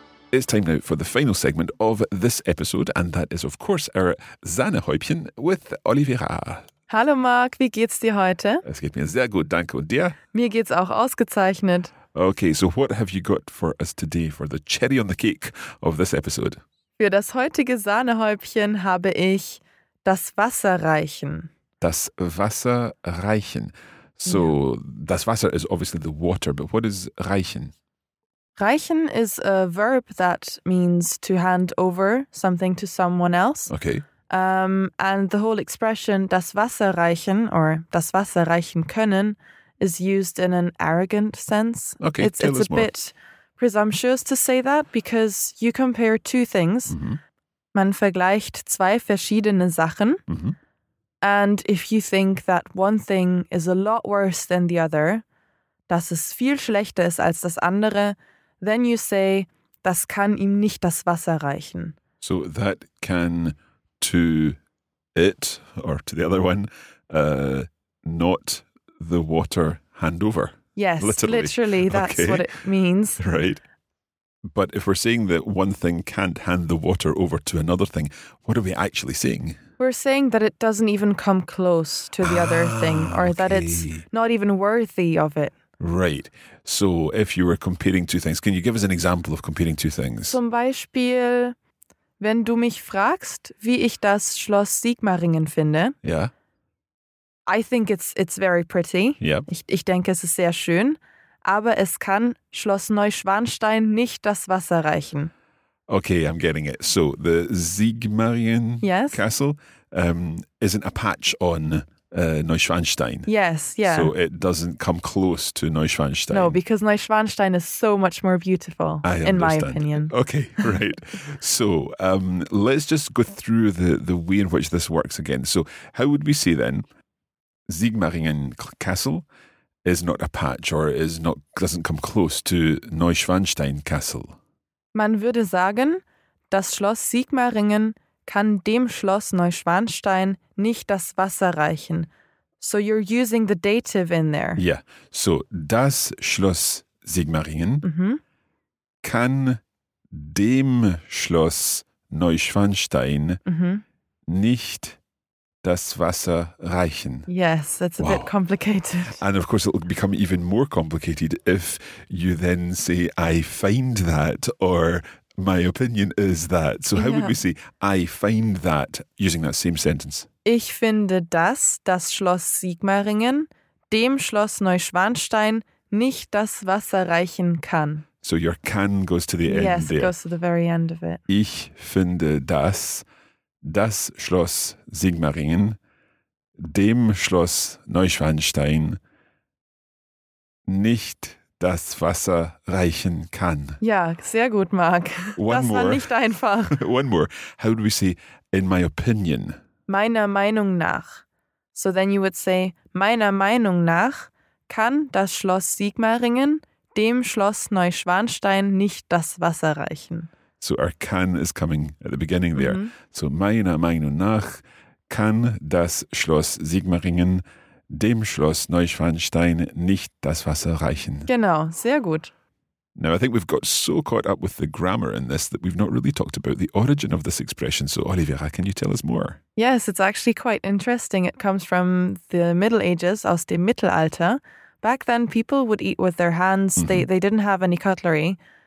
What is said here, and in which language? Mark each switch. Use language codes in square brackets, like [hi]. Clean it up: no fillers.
[en] It's time now for the final segment of this episode, and that is, of course, our Sahnehäubchen with Oliveira. [de] Hallo Marc, wie geht's dir heute? Es geht mir sehr gut, danke. Und dir? Mir geht's auch ausgezeichnet. [en] Okay, so what have you got for us today, for the cherry on the cake of this episode? [de] Für das heutige Sahnehäubchen habe ich das Wasser reichen. Das Wasser reichen. [en] So, yeah. Das Wasser is obviously the water, but what is reichen? Reichen is a verb that means to hand over something to someone else. Okay. And the whole expression das Wasser reichen or das Wasser reichen können is used in an arrogant sense. Okay, it's a more. Bit presumptuous to say that because you compare two things. Mm-hmm. [de] Man vergleicht zwei verschiedene Sachen. Mm-hmm. [en] And if you think that one thing is a lot worse than the other, [de] dass es viel schlechter ist als das andere, [en] then you say, [de] das kann ihm nicht das Wasser reichen. [en] So that can to it or to the other one not the water handover. Yes, literally that's okay. What it means. Right. But if we're saying that one thing can't hand the water over to another thing, what are we actually saying? We're saying that it doesn't even come close to the other thing or that it's not even worthy of it. Right. So if you were comparing two things, can you give us an example of comparing two things? [de] Zum Beispiel, wenn du mich fragst, wie ich das Schloss Sigmaringen finde. [en] Yeah. I think it's very pretty. Yep. [de] Ich denke, es ist sehr schön. Aber es kann Schloss Neuschwanstein nicht das Wasser reichen. [en] Okay, I'm getting it. So the Sigmaringen Castle isn't a patch on Neuschwanstein. Yes, yeah. So it doesn't come close to Neuschwanstein. No, because Neuschwanstein is so much more beautiful, in my opinion. Okay, right. So let's just go through the way in which this works again. So how would we say then? Sigmaringen Castle is not a patch or doesn't come close to Neuschwanstein Castle. [de] Man würde sagen, das Schloss Sigmaringen kann dem Schloss Neuschwanstein nicht das Wasser reichen. [en] So you're using the dative in there. Yeah. [de] So das Schloss Sigmaringen kann dem Schloss Neuschwanstein nicht das Wasser reichen. [en] Yes, that's a bit complicated. And of course, it'll become even more complicated if you then say, I find that, or my opinion is that. So how would we say, I find that, using that same sentence? [de] Ich finde das Schloss Sigmaringen, dem Schloss Neuschwanstein, nicht das Wasser reichen kann. [en] So your kann goes to the end there. Yes, it goes to the very end of it. [de] Ich finde das Schloss Sigmaringen, dem Schloss Neuschwanstein, nicht das Wasser reichen kann. Ja, sehr gut, Mark. Das war nicht einfach. [en] One more. How do we say, in my opinion? [de] Meiner Meinung nach. [en] So then you would say, [de] meiner Meinung nach kann das Schloss Sigmaringen dem Schloss Neuschwanstein nicht das Wasser reichen. [en] So our can is coming at the beginning there. Mm-hmm. [de] So meiner Meinung nach kann das Schloss Sigmaringen dem Schloss Neuschwanstein nicht das Wasser reichen. Genau, sehr gut. [en] Now I think we've got so caught up with the grammar in this that we've not really talked about the origin of this expression. So Oliveira, can you tell us more? Yes, it's actually quite interesting. It comes from the Middle Ages, [de] aus dem Mittelalter. [en] Back then people would eat with their hands. Mm-hmm. They didn't have any cutlery.